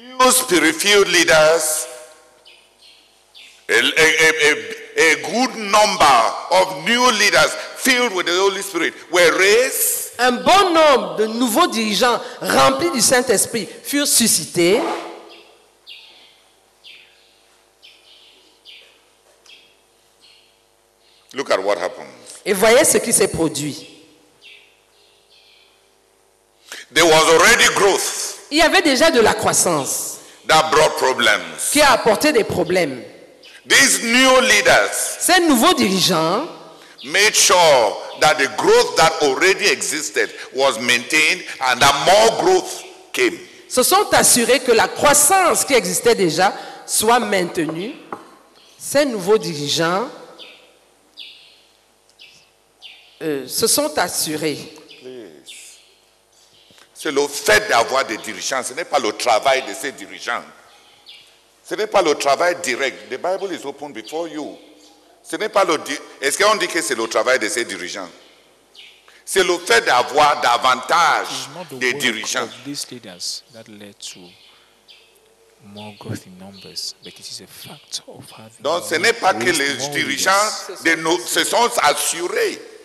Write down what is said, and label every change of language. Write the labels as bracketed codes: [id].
[en] Spirit-filled leaders, a good number of new leaders filled with the Holy Spirit were raised. [fr] Un bon nombre de nouveaux dirigeants remplis du Saint-Esprit furent suscités. [en] Look at what happened. [fr] Et voyez ce qui s'est produit. [en] There was already growth. [fr] Il y avait déjà de la croissance. [en] That brought problems. [fr] Qui a apporté des problèmes. [en] These new leaders. [fr] Ces nouveaux dirigeants. [en] Made sure that the growth that already existed was maintained and that more growth came. [fr] Se sont assurés que la croissance qui existait déjà soit maintenue. Ces nouveaux dirigeants se sont assurés. C'est le fait d'avoir des dirigeants, ce n'est pas le travail de ces dirigeants. Ce n'est pas le travail direct. [en] The Bible is open before you. [fr] Ce n'est pas est-ce qu'on dit que c'est le travail de ces dirigeants? C'est le fait d'avoir davantage de dirigeants. [en] It's not the work of these leaders that led to more growth in numbers, but it is a fact of having. [fr] Donc ce n'est pas que les dirigeants se sont assurés.